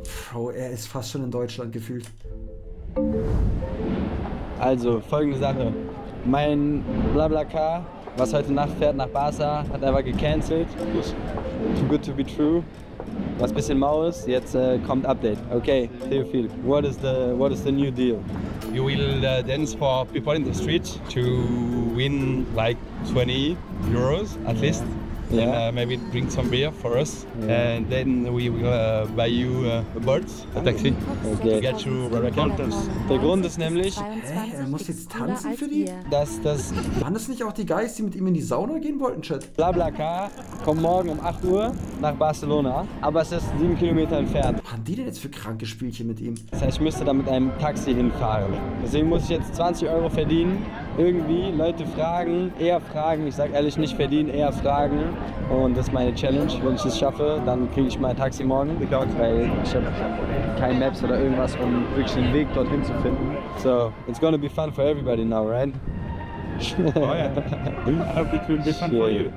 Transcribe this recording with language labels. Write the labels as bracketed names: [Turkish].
[German] Bro, er ist fast schon in Deutschland gefühlt. Also, folgende Sache. Mein BlaBlaCar, was heute Nacht fährt nach Barca, hat einfach gecancelt. [English] Too good to be true. [German] Was ein bisschen mau ist, jetzt kommt Update. [English] Okay, Theophil, what is the new deal? You will dance for people in the street to win like 20 euros at least. Yeah. And, maybe bring some beer for us. Yeah. And then we will buy you a boat, a taxi. Okay. To get you where I can. [German] Der Grund ist nämlich... Hä? Er muss jetzt tanzen für die? Das... Waren das nicht auch die Guys, die mit ihm in die Sauna gehen wollten, Chat? BlaBlaCar kommt morgen um 8 Uhr nach Barcelona. Aber es ist 7 Kilometer entfernt. Was haben die denn jetzt für kranke Spielchen mit ihm? Das heißt, ich müsste da mit einem Taxi hinfahren. Deswegen muss ich jetzt 20 Euro verdienen. Irgendwie Leute fragen, eher fragen. Ich sag ehrlich, nicht verdienen, eher fragen. Und das ist meine Challenge. Wenn ich das schaffe, dann kriege ich mein Taxi morgen. Weil ich habe keine Maps oder irgendwas, um wirklich den Weg dorthin zu finden. [English] So, it's gonna be fun for everybody now, right? [German] Oh ja. [English] I hope it will be fun for you.